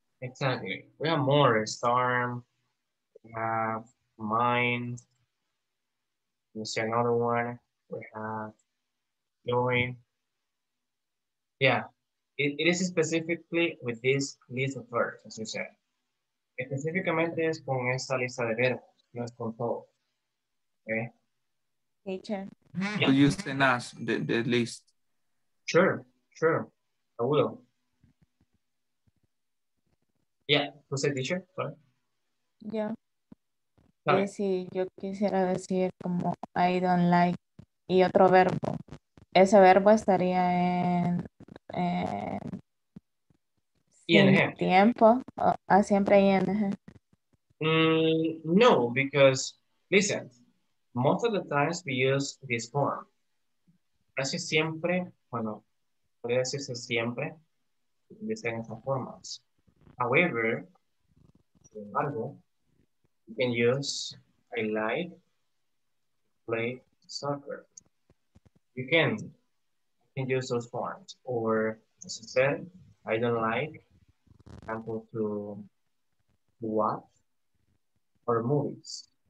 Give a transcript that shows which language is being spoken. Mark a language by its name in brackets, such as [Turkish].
[English] Exactly. We have more, storm, we have mind, you see another one, we have join. Yeah, it is specifically with this list of verbs, as you said. [Spanish] Específicamente es con esta lista de verbos, no es con todo. [English] Okay? Hey, Chen. Yeah. Could you send us the list? Sure, sure, I will. Yeah, who said teacher? Sorry. Yeah. Sorry. [Spanish] Sí, yo quisiera decir como [English] I don't like [Spanish] y otro verbo. Ese verbo estaría en [English] ING. [Spanish] Tiempo. Oh, siempre ING. [English] No, because listen, most of the times we use this form. [Spanish] Casi siempre, bueno, podría decirse siempre, dicen esa forma. [English] However, [Spanish] sin embargo, [English] you can use I like play soccer. You can use those forms. Or as I said, I don't like example to watch or movies.